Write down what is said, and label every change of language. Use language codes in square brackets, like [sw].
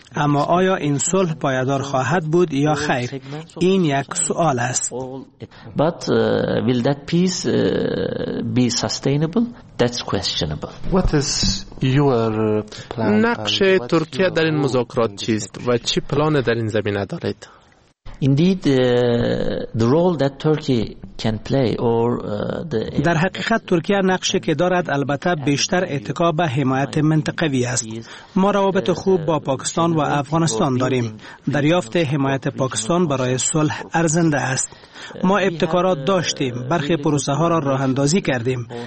[fa] اما آیا این صلح پایدار خواهد بود یا خیر؟ این یک سوال است. [en] But will that peace be sustainable? That's questionable. What is your plan? [fa] نقش ترکیه در این مذاکرات چیست و چه پلانی در این زمینه دارید؟ [en] Indeed, the role that Turkey can play or [fa] در حقیقت ترکیه نقشی که دارد البته بیشتر اتکا به حمایت منطقوی است. ما روابط خوب با پاکستان و افغانستان داریم. دریافت حمایت پاکستان برای صلح ارزنده است. ما ابتکارات داشتیم، برخی پروسه ها را راه اندازی کردیم.